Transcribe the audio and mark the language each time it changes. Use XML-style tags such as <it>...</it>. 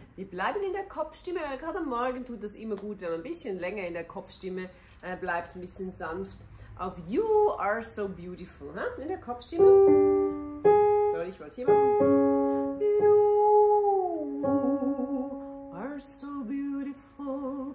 <de>Bleiben in der Kopfstimme, weil gerade am Morgen tut das immer gut, wenn man ein bisschen länger in der Kopfstimme bleibt, ein bisschen sanft.</de> <en>Auf You are so beautiful.</en> <de>Ha? In der Kopfstimme. Sorry, ich wollte hier machen.</de> <en>You are so beautiful.</en>